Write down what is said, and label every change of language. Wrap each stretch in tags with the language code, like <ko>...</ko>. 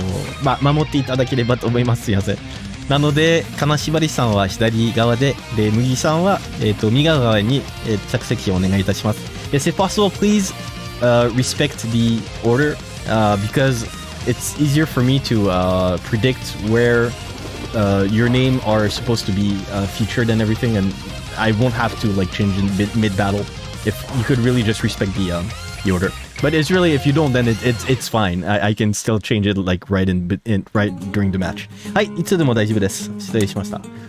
<ja>そうですね。なるべく順番を守っていただければと思います。すいません。なので、金縛りさんは左側で、で、麦さんは、右側に着席をお願いいたします。</ja> <en>Yes, if possible, please respect the order because it's easier for me to predict where your name are supposed to be featured and everything, and I won't have to like change in mid-battle if you could really just respect the order. But it's really, if you don't, then it's fine. I can still change it like right during the match.</en> <ja>Hi, いつでも大丈夫です。失礼しました。</ja>